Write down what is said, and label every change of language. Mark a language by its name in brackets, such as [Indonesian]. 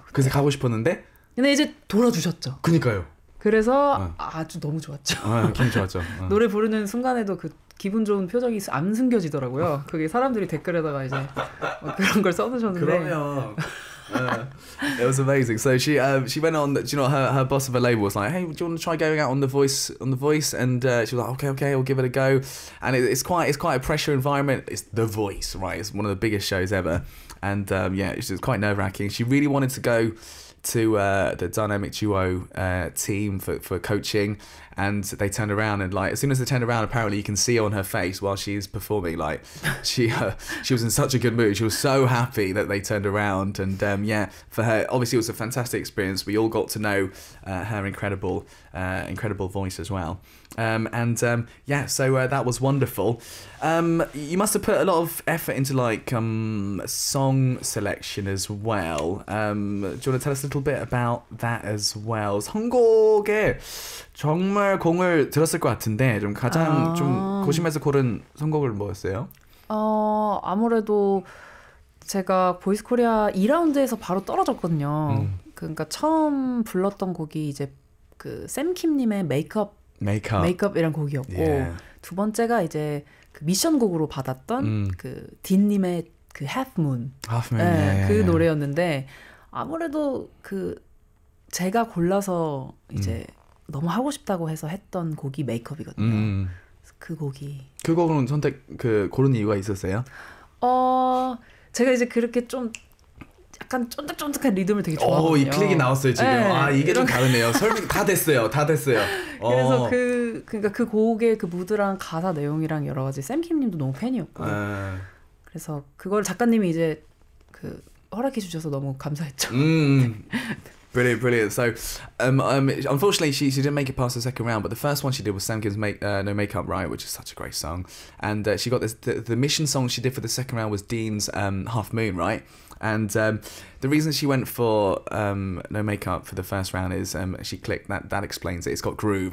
[Korean] 그때. 그래서 가고 싶었는데? 근데 이제 돌아주셨죠. 그니까요. 그래서 아주 너무 좋았죠. 기분 좋았죠. 노래 부르는 순간에도 그 기분 좋은 표정이 안 숨겨지더라고요. 그게 사람들이 댓글에다가 이제 그런 걸 써놓으셨는데. 그럼요. [English] It was amazing. So she went on. You know, her boss of a label was like, "Hey, do you want to try going out on the Voice?" And she was like, "Okay, we'll give it a go." And it's quite a pressure environment. It's The Voice, right? It's one of the biggest shows ever. And yeah, it's quite nerve wracking. She really wanted to go to the dynamic duo team for coaching, and they turned around and like as soon as they turned around, apparently you can see on her face while she's performing, like she was in such a good mood. She was so happy that they turned around, and yeah, for her obviously it was a fantastic experience. We all got to know her incredible voice as well. That was wonderful. You must have put a lot of effort into like song selection as well. Do you want to tell us a little bit about that as well? [Korean] 선곡에 정말 공을 들였을 것 같은데 좀 가장 좀 고심해서 고른 선곡을 뭐였어요? 아무래도 제가 보이스 코리아 2라운드에서 바로 떨어졌거든요. 그러니까 처음 불렀던 곡이 이제 그 샘킴님의 메이크업이란 곡이었고 yeah. 두 번째가 이제 그 미션 곡으로 받았던 그 딘님의 그 Half Moon 네, yeah, 그 yeah. 노래였는데 아무래도 그 제가 골라서 이제 너무 하고 싶다고 해서 했던 곡이 메이크업이거든요. 그 곡은 선택 그 고른 이유가 있었어요? 제가 이제 그렇게 좀 약간 쫀득쫀득한 리듬을 되게 좋아하거든요. 이 클릭이 나왔어요 지금. 네. 아 이게 좀 다르네요. 설명 다 됐어요. 그래서 그러니까 그 곡의 그 무드랑 가사 내용이랑 여러 가지 샘킴님도 너무 팬이었고. 그래서 그걸 작가님이 이제 그 허락해 주셔서 너무 감사했죠. [English] Brilliant, brilliant. So, unfortunately, she didn't make it past the second round, but the first one she did was Sam Kim's No Makeup, right, which is such a great song. And she got this, the mission song she did for the second round was Dean's Half Moon, right? And the reason she went for No Makeup for the first round is she clicked, that explains it. It's got groove.